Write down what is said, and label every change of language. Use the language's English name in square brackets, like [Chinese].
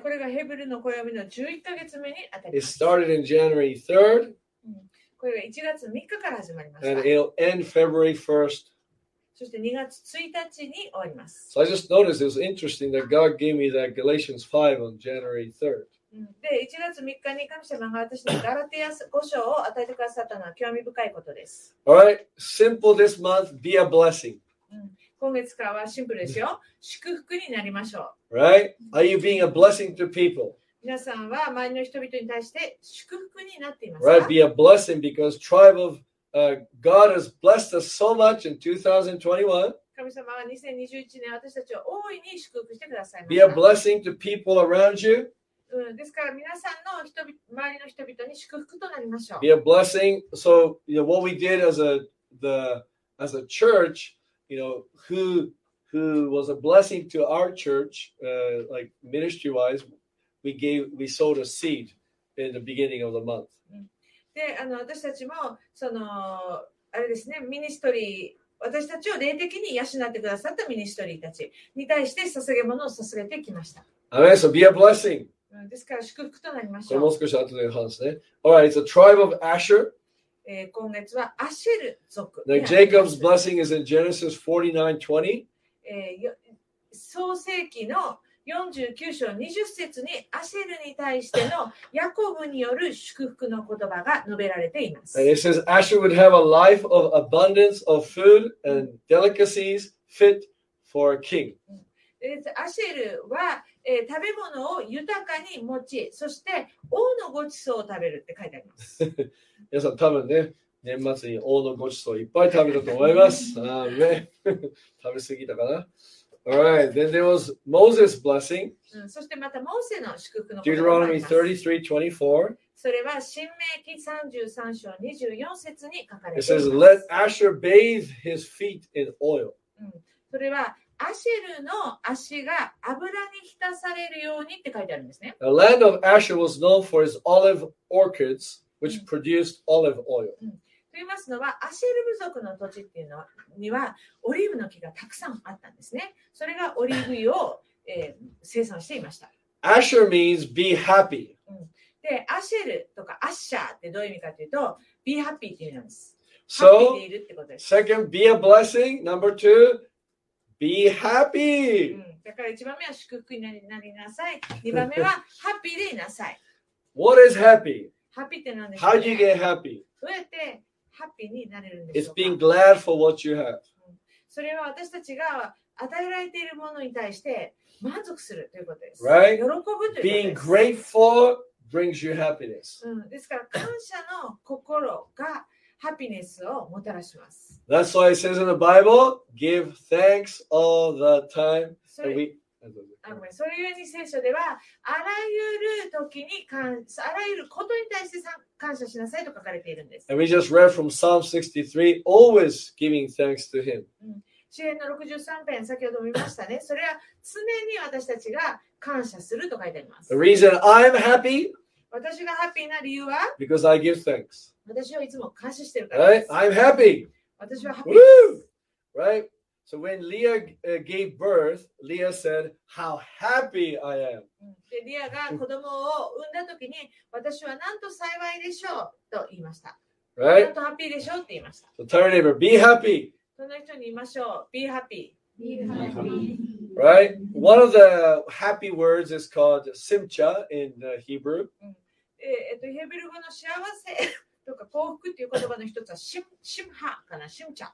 [Japanese] これがヘブルの暦の11ヶ月目に当たります。 [English] It started in January 3rd. [Japanese] これが1月3日から始まりました。 [English] And it'll end February 1st. [Japanese] そして2月1日に終わります。 [English] So I just noticed it was interesting that God gave me that Galatians 5 on January 3rd. [Japanese] で、1月3日に神様が私にガラテヤ5章を与えてくださったのは興味深いことです。 [English] All right, simple this month, be a blessing. [Japanese] 今月からはシンプルですよ。祝福になりましょう。 [English] Right? Are you being a blessing to people? [Japanese] 皆さんは周りの人々に対して祝福になっていますか? [English] Right, be a blessing because tribe of God has blessed us so much in 2021. [Japanese] 神様は2021年私たちを大いに祝福してくださいました。 [English] Be a blessing to people around you. [Japanese] ですから皆さんの人々、周りの人々に祝福となりましょう。 [English] Be a blessing. So, you know, what we did as a church, you know, who was a blessing to our church, like ministry wise. We sold a seed in the beginning of the month. [Japanese] で、私たちもそのあれですね、ミニストリー私たちを霊的に養ってくださったミニストリーたちに対して捧げ物を捧げてきました。 [English] Amen. So be a blessing. [Japanese] ですから祝福となりましょう。もう少し後で話すね。 [English] All right, it's a tribe of Asher. [Japanese] 今月はアシェル族。 [English] Now Jacob's blessing is in Genesis 49:20. [Japanese] 創世記の49章20節にアシェルに対してのヤコブによる祝福の言葉が述べられています。 [English] It says Asher would have a life of abundance of food and delicacies fit for a king. [Japanese] アシェルは、食べ物を豊かに持ち、そして王のごちそうを食べるって書いてあります。皆さん多分ね、年末に王のごちそういっぱい食べたと思います。あーね、食べ過ぎたかな。 [English] All right, then there was Moses' blessing. [Japanese] そしてまたモーセの祝福の言葉があります。Deuteronomy 33:24. それは申命記33章24節に書かれています。 [English] It says, "Let Asher bathe his feet in oil." [Japanese] それはアシェルの足が油に浸されるようにって書いてあるんですね。 The land of Asher was known for its olive orchards, which produced olive oil. と言いますのは、アシェル部族の土地っていうのにはオリーブの木がたくさんあったんですね。それがオリーブ油を、生産していました。 [English] Asher means be happy. [Japanese] で、アシェルとかアッシャーってどういう意味かというと、 [English] be happy [Japanese] って意味なんです。 [English] So, second, be a blessing. Number two, be happy.、 [Japanese] だから一番目は祝福になりなさい。二番目はハッピーでいなさい。 [English] What is happy? [Japanese] ハッピーって何ですか? [English] How do you get happy? [Japanese] どうやってハッピーになれるんでしょうか? [English] It's being glad for what you have. [Japanese] それは私たちが与えられているものに対して満足するということです。 [English] Right? [Japanese] 喜ぶということです。 [English] Being grateful brings you happiness. [Japanese] ですから感謝の心がハピネスをもたらします。 [English] That's why it says in the Bible, give thanks all the time. [Japanese] それゆえに聖書ではあらゆる時にあらゆることに対して感謝しなさいと書かれているんです。 [English] And we just read from Psalm 63, always giving thanks to him. [Japanese] 詩編の63編、先ほども見ましたね。それは常に私たちが感謝すると書いてあります。 [English] The reason I'm happy, [Japanese] 私がハッピーな理由は [English] Because I give thanks. [Japanese] 私はいつも感謝してるから。 [English] Right? I'm happy. [Japanese] 私はハッピー。 [English] Woo! Right? So when Leah gave birth, Leah said, "How happy I am." [Japanese] で、リアが子供を産んだ時に、私はなんと幸いでしょうと言いました。 [English] Right? [Japanese] なんとハッピーでしょうって言いました。 [English] So tell your neighbor, "Be happy." [Japanese] その人に言いましょう。 [English] Be happy. Be happy. Right? One of the happy words is called simcha in Hebrew. [Japanese] ヘブル語の幸せとか幸福っていう言葉の一つはシムハかな、シムチャ。